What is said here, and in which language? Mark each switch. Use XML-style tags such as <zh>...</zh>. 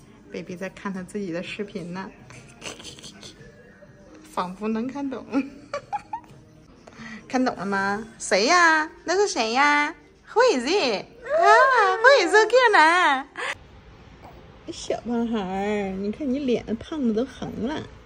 <zh>，baby 在看他自己的视频呢，仿佛能看懂。看懂了吗？谁呀？那是谁呀 ？</zh> <en>Who is it？</en> <zh>啊 ，</zh> <en>Who is it？</en> <zh>叫哪？小胖孩，你看你脸胖的都红了。</zh>